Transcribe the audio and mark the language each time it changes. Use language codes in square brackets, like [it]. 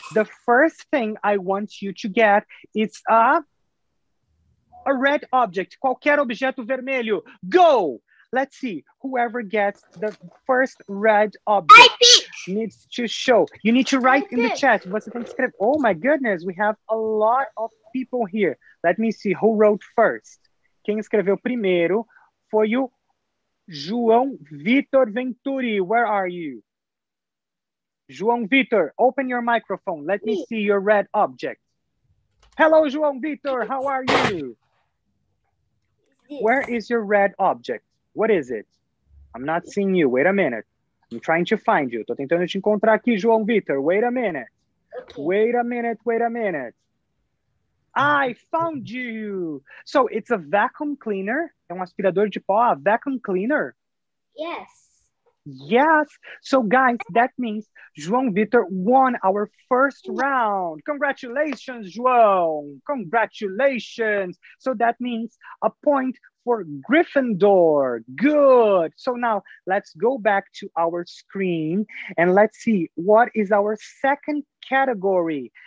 [en] The first thing I want you to get is a red object. [pt] Qualquer objeto vermelho. [en] Go! Let's see. Whoever gets the first red object needs to show. You need to write in the chat. [pt] Você tem que escrever. [en] Oh my goodness, we have a lot of people here. Let me see who wrote first. [pt] Quem escreveu primeiro foi o João Vitor Venturi. [en] Where are you? João Vitor, open your microphone. Let me see your red object. Hello, João Vitor. How are you? Where is your red object? What is it? I'm not seeing you. Wait a minute. I'm trying to find you. [pt] Tô tentando te encontrar aqui, [en] João Vitor. Wait a minute. Wait a minute. Wait a minute. I found you. So it's a vacuum cleaner. [pt] É um aspirador de pó, [en] a vacuum cleaner? Yes. Yes. So guys, that means João Vitor won our first round. Congratulations, João. Congratulations. So that means a point for Gryffindor. Good. So now let's go back to our screen and let's see what is our second category.